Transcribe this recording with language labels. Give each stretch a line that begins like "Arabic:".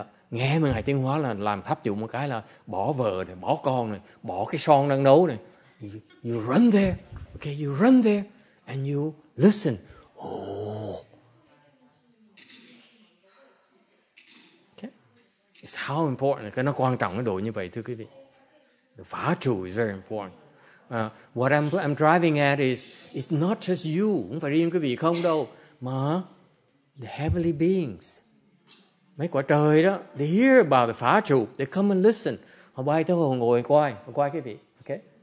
Vietnamese: Nghe mà Ngài Tiên Hóa là làm pháp chủ một cái là bỏ vợ này, bỏ con này, bỏ cái son đang nấu này.
English: You run there. Okay, you run there and you listen. Okay. It's how important.
Vietnamese: Cái nó quan trọng cái độ như vậy thưa quý vị.
English: The Phá Chủ is very important. What I'm driving at is it's not just you.
Vietnamese: Không phải riêng quý vị không đâu. Mà
English: the heavenly beings,
Vietnamese: mấy quả trời đó,
English: they hear about the Phá Chủ, they come and listen.
Vietnamese: Họ bay tới, họ ngồi coi, họ coi cái gì, okay?